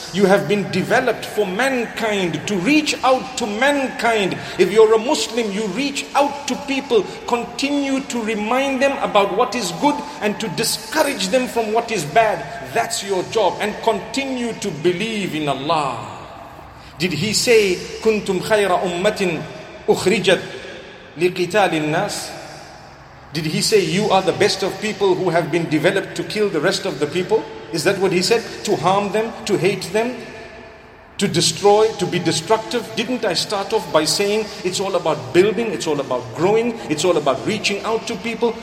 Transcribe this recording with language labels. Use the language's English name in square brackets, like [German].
[English] You have been developed for mankind, to reach out to mankind. If you're a Muslim, you reach out to people, continue to remind them about what is good and to discourage them from what is bad. That's your job. And continue to believe in Allah. Did he say, [Arabic] كنتم خير أمة أخرجت لقتال الناس? [English] Did he say, you are the best of people who have been developed to kill the rest of the people? Is that what he said? To harm them, to hate them, to destroy, to be destructive? Didn't I start off by saying it's all about building, it's all about growing, it's all about reaching out to people?